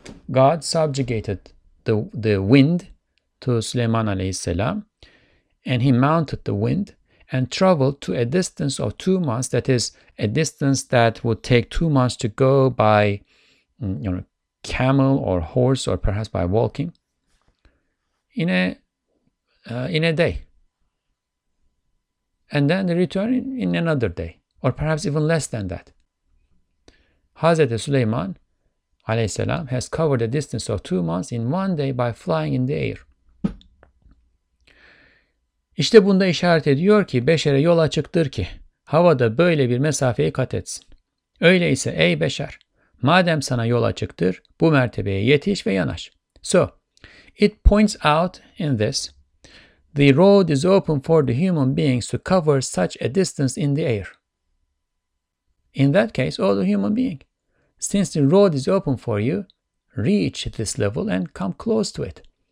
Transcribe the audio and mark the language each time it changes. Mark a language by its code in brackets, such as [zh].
[en] God subjugated the wind to Süleyman aleyhisselam, and he mounted the wind and traveled to a distance of 2 months, that is a distance that would take 2 months to go by, you know, camel or horse, or perhaps by walking, in a day, and then the return in another day, or perhaps even less than that. Hazreti Süleyman aleyhisselam has covered a distance of 2 months in one day by flying in the air. [tr] İşte bunda işaret ediyor ki beşere yol açıktır ki havada böyle bir mesafeyi kat etsin. Öyleyse ey beşer, madem sana yol açıktır, bu mertebeye yetiş ve yanaş. [en] So, it points out in this, the road is open for the human beings to cover such a distance in the air. In that case, all the human being, since the road is open for you, reach this level and come close to it.